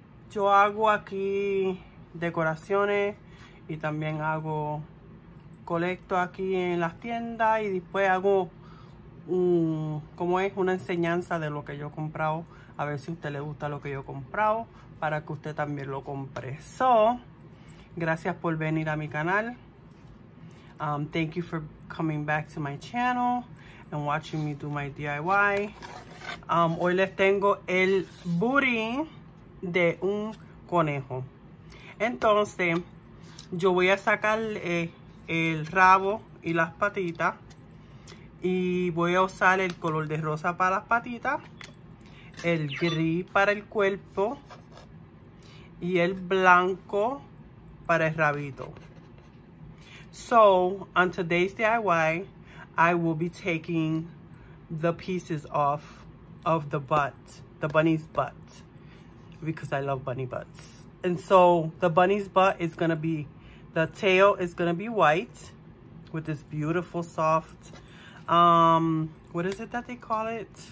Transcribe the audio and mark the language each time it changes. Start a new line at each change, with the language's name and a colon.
Spanish: Yo hago aquí decoraciones y también hago colecto aquí en las tiendas y después hago una enseñanza de lo que yo he comprado, a ver si a usted le gusta lo que yo he comprado para que usted también lo compre. So, gracias por venir a mi canal.
English: Thank you for coming back to my channel and watching me do my DIY.
Spanish: Hoy les tengo el booty de un conejo. Entonces, yo voy a sacarle el rabo y las patitas, y voy a usar el color de rosa para las patitas, el gris para el cuerpo y el blanco para el rabito.
English: So on today's DIY, I will be taking the pieces off of the butt, the bunny's butt, because I love bunny butts. And so the bunny's butt is gonna be, the tail is gonna be white with this beautiful soft, what is it that they call it?